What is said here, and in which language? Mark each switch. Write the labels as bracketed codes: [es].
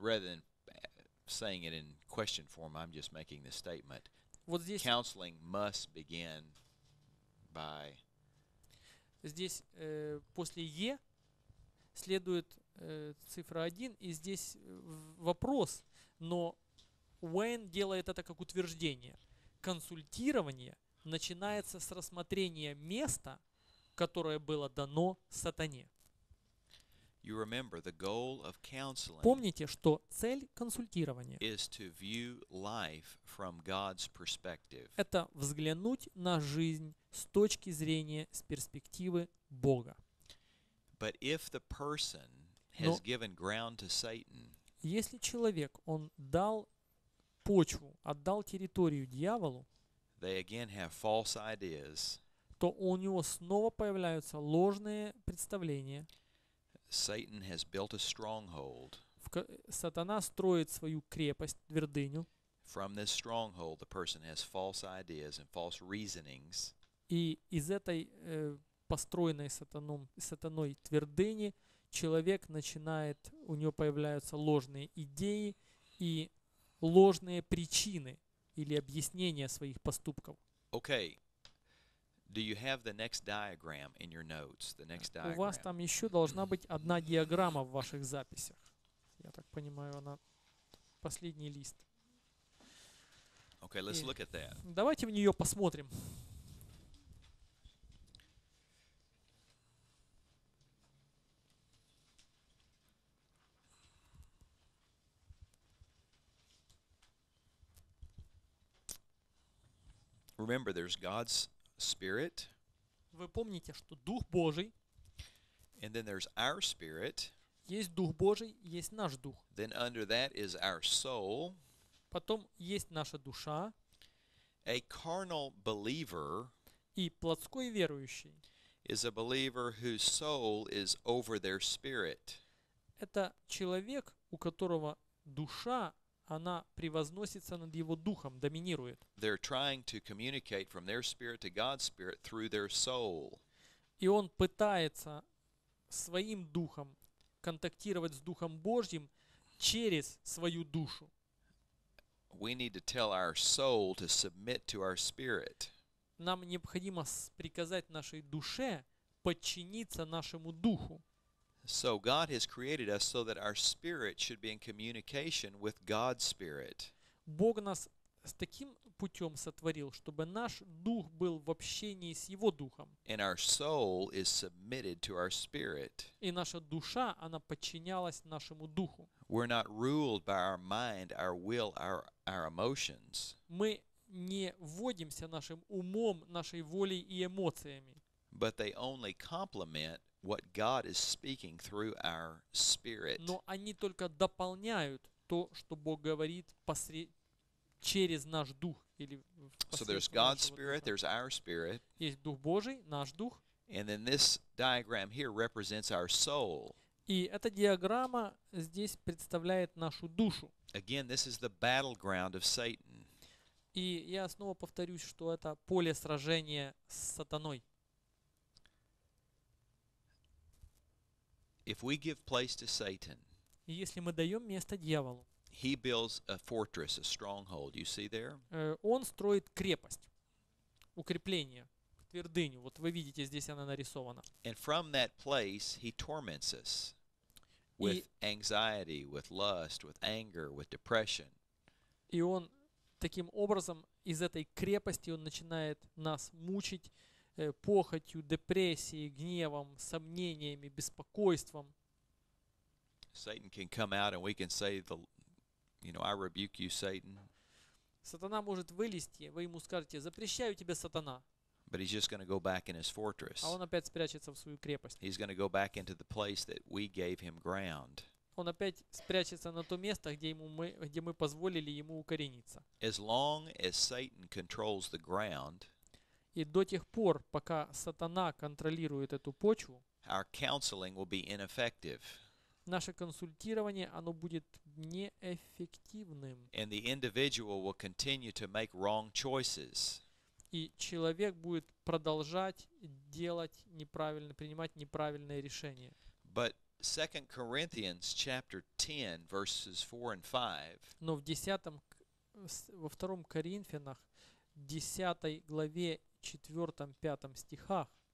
[en] Rather than saying it in question form, I'm just making the statement. [ru] Вот здесь [en] counseling must begin by... [ru] Здесь после «е» следует цифра 1, и здесь вопрос, но Уэйн делает это как утверждение. Консультирование начинается с рассмотрения места, которое было дано сатане. [en] You remember, the goal of counseling, [ru] помните, что цель консультирования [en] is to view life from God's perspective. [ru] Это взглянуть на жизнь с точки зрения, с перспективы Бога. [en] But if the person has given ground to Satan, [ru] если человек, он дал почву, отдал территорию дьяволу, [en] they again have false ideas, [ru] то у него снова появляются ложные представления. [en] Satan has built a stronghold. [ru] Сатана строит свою крепость, твердыню. [en] From this stronghold, the person has false ideas and false reasonings. [ru] И из этой построенной сатаной твердыни человек начинает, у него появляются ложные идеи и ложные причины или объяснения своих поступков. [en] Okay. Do you have the next diagram in your notes? The next diagram. [ru] У вас там еще должна быть одна диаграмма в ваших записях. Я так понимаю, она последний лист. [en] Okay, let's look at that. [ru] Давайте в нее посмотрим. [en] Remember, there's God's Spirit. [ru] Вы помните, что Дух Божий. [en] And then there's our spirit. [ru] Есть Дух Божий, есть наш Дух. [en] Then under that is our soul. [ru] Потом есть наша душа. [en] A carnal believer. [ru] И плотской верующий. [en] Is a believer whose soul is over their spirit. [ru] Это человек, у которого душа, она превозносится над его духом, доминирует. [en] They're trying to communicate from their spirit to God's spirit through their soul. [ru] И он пытается своим духом контактировать с Духом Божьим через свою душу. [en] We need to tell our soul to submit to our spirit. [ru] Нам необходимо приказать нашей душе подчиниться нашему духу. [en] So God has created us so that our spirit should be in communication with God's spirit. [ru] Бог нас с таким путем сотворил, чтобы наш дух был в общении с Его духом. [en] And our soul is submitted to our spirit. [ru] И наша душа, она подчинялась нашему духу. [en] We're not ruled by our mind, our will, our emotions. [ru] Мы не водимся нашим умом, нашей волей и эмоциями. [en] But they only complement what God is speaking through our spirit. [ru] Но они только дополняют то, что Бог говорит через наш дух. Или [en] so there's God's spirit, there's our spirit. [ru] Есть Дух Божий, наш дух. [en] And then this diagram here represents our soul. [ru] И эта диаграмма здесь представляет нашу душу. [en] Again, this is the battleground of Satan. [ru] И я снова повторюсь, что это поле сражения с сатаной. [en] If we give place to Satan, [ru] если мы даем место дьяволу, [en] he builds a fortress, a stronghold. You see there? [ru] Он строит крепость, укрепление, твердыню. Вот вы видите, здесь она нарисована. [en] And from that place, he torments us with anxiety, with lust, with anger, with depression. [ru] И он таким образом из этой крепости он начинает нас мучить похотью, депрессией, гневом, сомнениями, беспокойством. [en] Satan can come out and we can say, I rebuke you, Satan. [ru] Сатана может вылезти, вы ему скажете, запрещаю тебе, сатана. [en] But he's just going to go back in his fortress. [ru] А он опять спрячется в свою крепость. [en] He's going to go back into the place that we gave him ground. [ru] Он опять спрячется на то место, где мы позволили ему укорениться. [en] As long as Satan controls the ground, [ru] и до тех пор, пока сатана контролирует эту почву, [en] our counseling will be ineffective. [ru] Наше консультирование, оно будет неэффективным. [en] And the individual will continue to make wrong choices. [ru] И человек будет продолжать делать неправильно, принимать неправильные решения. [en] But 2 Corinthians chapter 10, verses 4 and 5, [ru] но в 10, во 2 Коринфянах, 10 главе, четвертом, пятом стихах.